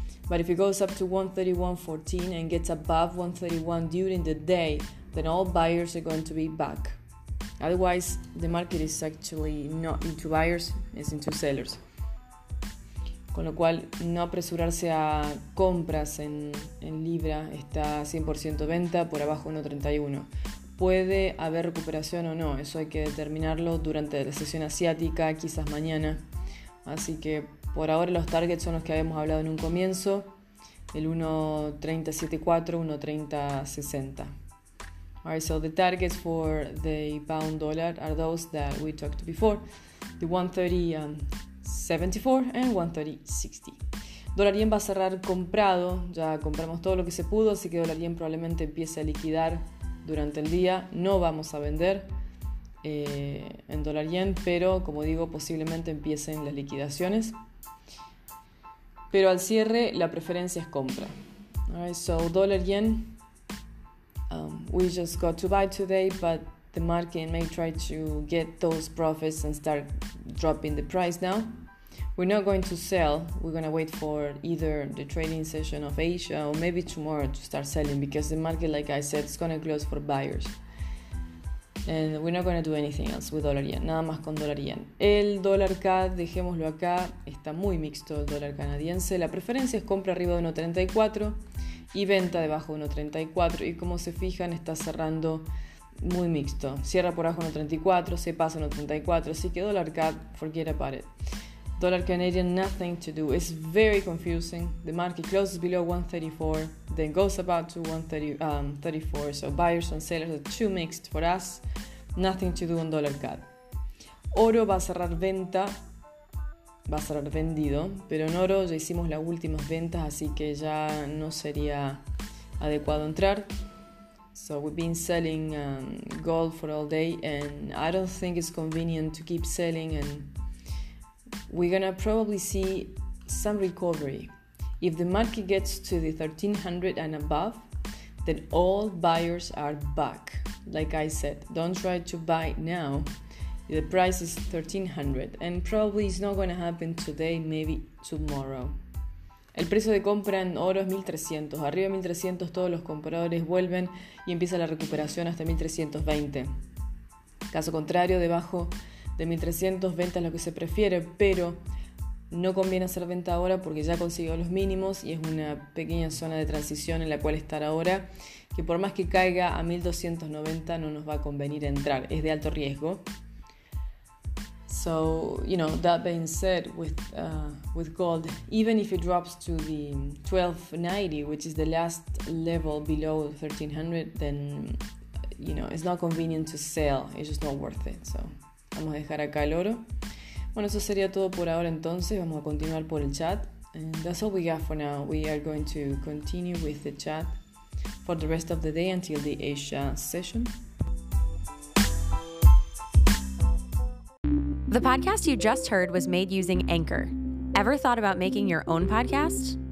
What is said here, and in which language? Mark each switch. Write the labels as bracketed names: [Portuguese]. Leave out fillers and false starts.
[English] But if it goes up to 1.3114 and gets above 1.31 during the day, then all buyers are going to be back. Otherwise, the market is actually not into buyers, it's into sellers. [Spanish] Con lo cual, no apresurarse a compras en libra está 100% venta por abajo 1.31. Puede haber recuperación o no, eso hay que determinarlo durante la sesión asiática, quizás mañana. Así que por ahora los targets son los que habíamos hablado en un comienzo, el 1.3074, 1.3060. [English] Alright, so the targets for the pound dollar are those that we talked before, the 1.3074 and 1.3060. [Spanish] Dólar yen va a cerrar comprado, ya compramos todo lo que se pudo, así que dólar yen probablemente empiece a liquidar durante el día. No vamos a vender en dólar yen, pero como digo, posiblemente empiecen las liquidaciones. Pero al cierre, la preferencia es compra. [English] Alright, so dólar yen, we just got to buy today, but the market may try to get those profits and start dropping the price now. We're not going to sell. We're going to wait for either the trading session of Asia or maybe tomorrow to start selling because the market, like I said, is going to close for buyers. And we're not going to do anything else with dólar yen. [Spanish] Nada más con dólar yen. El dólar CAD, dejémoslo acá. Está muy mixto el dólar canadiense. La preferencia es compra arriba de 1.34 y venta debajo de 1.34. Y como se fijan, está cerrando muy mixto. Cierra por abajo 1.34, se pasa 1.34. Así que dólar CAD, [English] forget about it. Dólar Canadian, nothing to do. It's very confusing. The market closes below 1.34, then goes about to 1.34. So buyers and sellers are too mixed for us. Nothing to do on [Spanish] dólar CAD. Oro va a cerrar venta. Va a cerrar vendido. Pero en oro ya hicimos las últimas ventas, así que ya no sería adecuado entrar. [English] So we've been selling gold for all day, and I don't think it's convenient to keep selling, and we're gonna probably see some recovery. If the market gets to the 1300 and above, then all buyers are back. Like I said, don't try to buy now. The price is 1300 and probably it's not gonna happen today, maybe tomorrow. [Spanish] El precio de compra en oro es 1300. Arriba de 1300 todos los compradores vuelven y empieza la recuperación hasta 1320. Caso contrario, debajo de 1300, venta es lo que se prefiere, pero no conviene hacer venta ahora porque ya consiguió los mínimos y es una pequeña zona de transición en la cual estar ahora, que por más que caiga a 1290 no nos va a convenir entrar, es de alto riesgo. [English] So, you know, that being said, with gold, even if it drops to the 1290, which is the last level below 1300, then, you know, it's not convenient to sell. It's just not worth it. So, [Spanish] vamos a dejar acá el oro. Bueno, eso sería todo por ahora entonces. Vamos a continuar por el chat. [English] And that's all we got for now. We are going to continue with the chat for the rest of the day until the Asia session. The podcast you just heard was made using Anchor. Ever thought about making your own podcast?